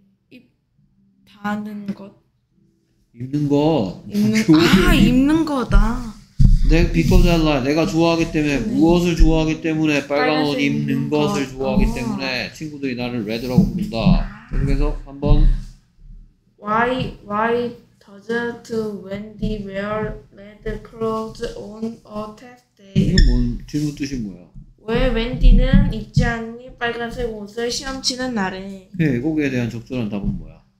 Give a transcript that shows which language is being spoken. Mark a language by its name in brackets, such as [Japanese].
[Korean] 입다는 것. 입는 거. 입는 거다. 내가 내가 좋아하기 때문에 무엇을 좋아하기 때문에 빨간 옷 입는 것을 좋아하기 때문에 친구들이 나를 레드라고 부른다. 그래서 한번 [English] Why doesn't Wendy wear red clothes on a test day? [Korean] 이게 뭔 질문 뜻이 뭐야? 왜 웬디는 입지 않니 빨간색 옷을 시험 치는 날에? 네, 거기에 대한 적절한 답은 뭐야?